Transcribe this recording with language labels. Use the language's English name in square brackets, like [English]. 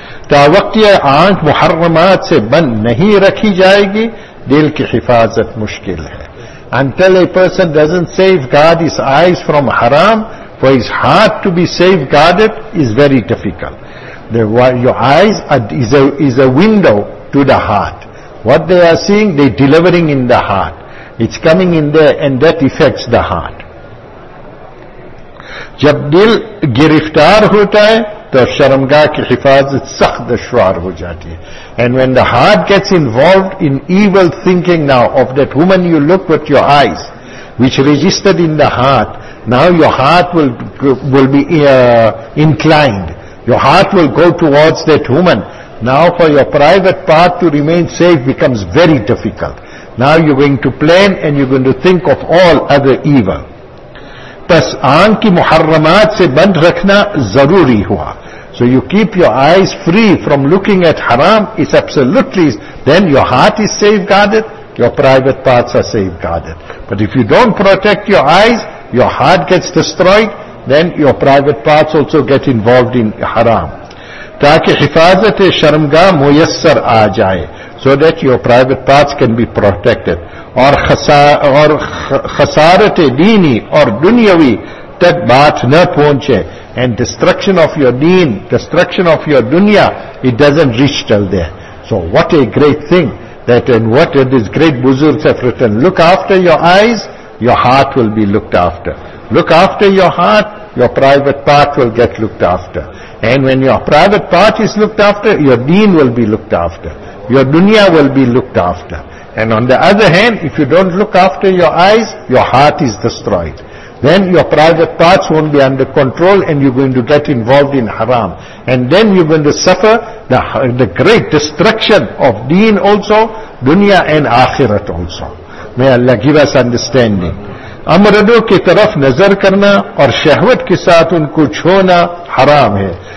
[Urdu] تو وقت یہ آنکھ محرمات سے بند نہیں رکھی جائے گی دل کی حفاظت مشکل ہے. [English] until a person doesn't safeguard his eyes from haram, for his heart to be safeguarded is very difficult. Your eyes is a window to the heart. What they are seeing, they are delivering in the heart. It's coming in there, and that affects the heart. [Urdu] جب دل گرفتار ہوتا ہے تو شرمگاہ کی حفاظت سخت دشوار ہو جاتی ہے. [English] And when the heart gets involved in evil thinking now of that woman you look with your eyes, which registered in the heart, now your heart will be inclined. Your heart will go towards that woman. Now for your private part to remain safe becomes very difficult. Now you're going to plan and you're going to think of all other evil. [Urdu] پس آنکھ کی محرمات سے بند رکھنا ضروری ہوا. [English] So you keep your eyes free from looking at haram, it's absolutely, then your heart is safeguarded, your private parts are safeguarded. But if you don't protect your eyes, your heart gets destroyed, then your private parts also get involved in haram. [Urdu] تاکہ حفاظت شرمگاہ میسر آ جائے, [English] so that your private parts can be protected. [Urdu] اور خسارت دینی اور دنیاوی تک بات نہ پہنچے. [English] And destruction of your deen, destruction of your dunya, it doesn't reach till there. So what a great thing that, and what this great buzurgs have written, look after your eyes, your heart will be looked after. Look after your heart, your private part will get looked after. And when your private part is looked after, your deen will be looked after. Your dunya will be looked after. And on the other hand, if you don't look after your eyes, your heart is destroyed. Then your private parts won't be under control and you're going to get involved in haram. And then you're going to suffer the great destruction of deen also, dunya and akhirat also. May Allah give us understanding. [Urdu] امردوں کی طرف نظر کرنا اور شہوت کے ساتھ ان کو چھونا حرام ہے.